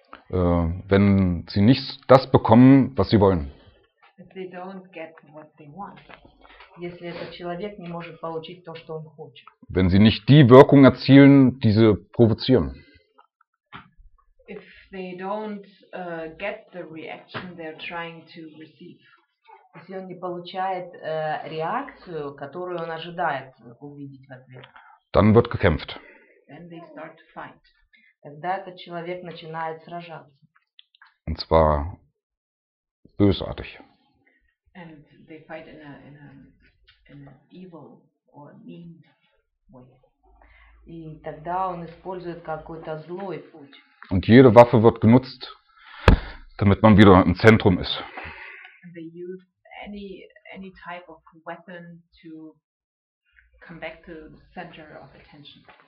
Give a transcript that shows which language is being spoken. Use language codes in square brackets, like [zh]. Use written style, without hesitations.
[de] Wenn sie nicht das bekommen, was sie wollen. [en] If they don't get what they want. [ru] Если этот человек не может получить то, что он хочет. [de] Wenn sie nicht die Wirkung erzielen, die sie provozieren. [en] If they don't get the reaction they're trying to receive. [ru] Если он не получает реакцию, которую он ожидает увидеть в ответ. [de] Dann wird gekämpft. [en] Then they start to fight. [ru] Тогда этот человек начинает сражаться. [de] Und zwar bösartig. [en] And they fight in an evil or mean way. [ru] И тогда он использует какой-то злой путь. [de] Und jede Waffe wird genutzt, damit man wieder im Zentrum ist. [en] And they use any type of weapon to come back to the center of attention.